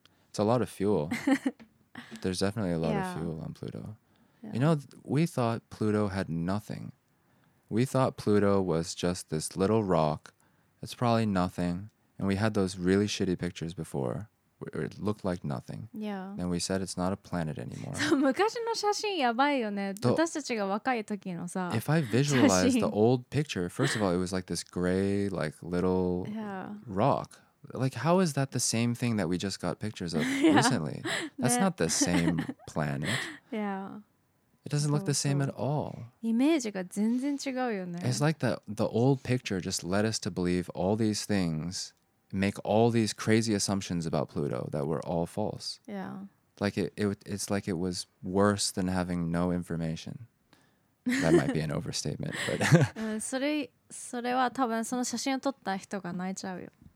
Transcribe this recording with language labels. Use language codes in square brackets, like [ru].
[en] It's a lot of fuel. There's definitely a lot of fuel on Pluto. Yeah. You know, we thought Pluto had nothing. We thought Pluto was just this little rock. It's probably nothing. And we had those really shitty pictures before. It looked like nothing. Yeah. And we said it's not a planet anymore. [ja] そう、昔の写真やばいよね。私たちが若い時のさ。 [en] If I visualize the old picture, first of all, it was like this gray, like little rock. Like, how is that the same thing that we just got pictures of recently? That's not the same planet. Yeah. It doesn't look the same at all. [ja] イメージが全然違うよね。 [en] It's like the old picture just led us to believe all these things, make all these crazy assumptions about Pluto that were all false. Yeah. Like it's like it was worse than having no information. That might be an overstatement, but [ja] それは多分その写真を撮った人が泣いちゃうよ。